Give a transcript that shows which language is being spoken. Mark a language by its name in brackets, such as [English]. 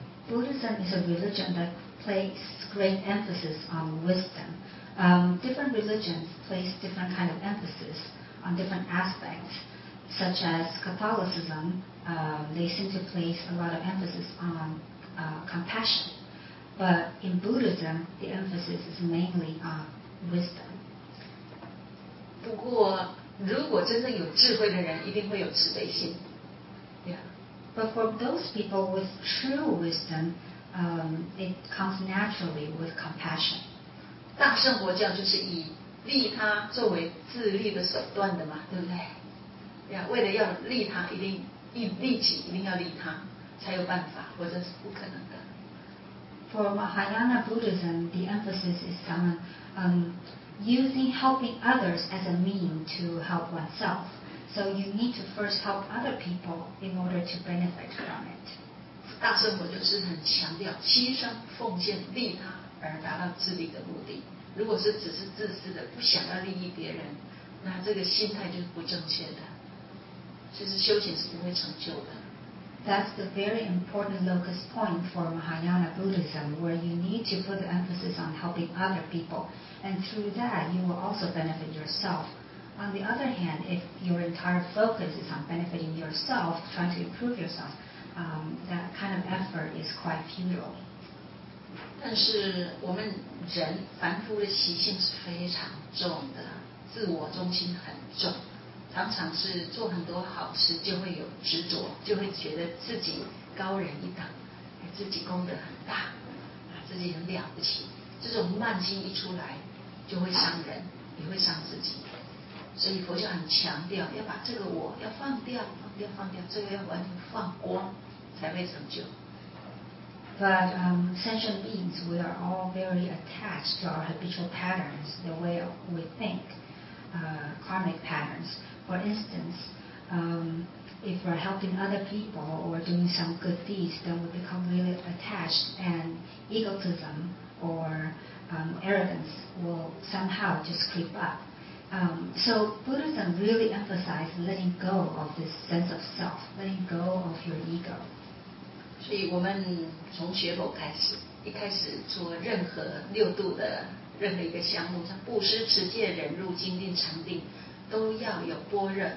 [English] Buddhism is a religion that places great emphasis on wisdom. Different religions place different kind of emphasis on different aspects, such as Catholicism, they seem to place a lot of emphasis on compassion. But in Buddhism, the emphasis is mainly on wisdom. [Chinese] 不过，如果真正有智慧的人，一定会有慈悲心。 [English] But for those people with true wisdom, it comes naturally with compassion. [Chinese] 大乘佛教就是以利他作为自利的手段的嘛，对不对？呀，为了要利他，一定利己，一定要利他，才有办法，或者是不可能的。 [English] For Mahayana Buddhism, the emphasis is on using helping others as a means to help oneself. So you need to first help other people in order to benefit from it. [Chinese] 大乘佛就是很强调牺牲、奉献、利他而达到自利的目的。如果是只是自私的，不想要利益别人，那这个心态就是不正确的。其实修行是不会成就的。 [English] That's the very important locus point for Mahayana Buddhism, where you need to put the emphasis on helping other people, and through that, you will also benefit yourself. On the other hand, if your entire focus is on benefiting yourself, trying to improve yourself, that kind of effort is quite futile. [Chinese] 但是我们人凡夫的习性是非常重的，自我中心很重，常常是做很多好事就会有执着，就会觉得自己高人一等，自己功德很大，自己很了不起。这种慢心一出来，就会伤人，也会伤自己。所以佛教很强调要把这个我要放掉放掉放掉最后要完全放光才会成就 [English] But sentient beings we are all very attached to our habitual patterns the way we think karmic patterns for instance if we're helping other people or doing some good deeds then we become really attached and egotism or arrogance will somehow just creep upSo Buddhism really emphasizes letting go of this sense of self, letting go of your ego. [Chinese] 所以我们从学佛开始，一开始做任何六度的任何一个项目，像布施、持戒、忍辱、精进、禅定，都要有般若。